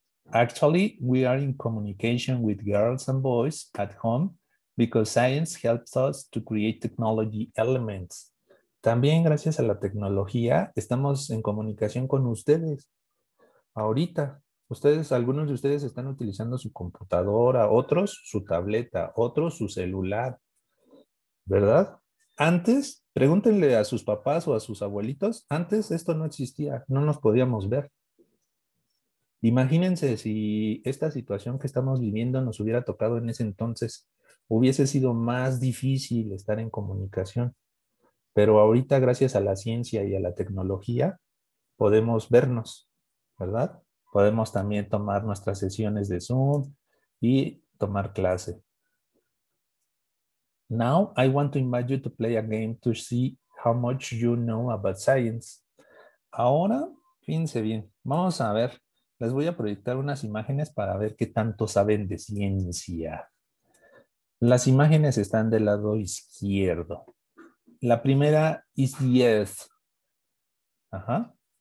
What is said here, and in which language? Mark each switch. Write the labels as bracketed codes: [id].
[en] Actually, we are in communication with girls and boys at home because science helps us to create technology elements. [es] También gracias a la tecnología estamos en comunicación con ustedes. Ahorita, ustedes, algunos de ustedes están utilizando su computadora, otros su tableta, otros su celular, ¿verdad? Antes, pregúntenle a sus papás o a sus abuelitos, antes esto no existía, no nos podíamos ver. Imagínense si esta situación que estamos viviendo nos hubiera tocado en ese entonces, hubiese sido más difícil estar en comunicación. Pero ahorita, gracias a la ciencia y a la tecnología, podemos vernos, ¿verdad? Podemos también tomar nuestras sesiones de Zoom y tomar clase. [en] Now, I want to invite you to play a game to see how much you know about science. [es] Ahora, fíjense bien, vamos a ver. Les voy a proyectar unas imágenes para ver qué tanto saben de ciencia. Las imágenes están del lado izquierdo. La primera [en] is the Earth. [es] Ajá.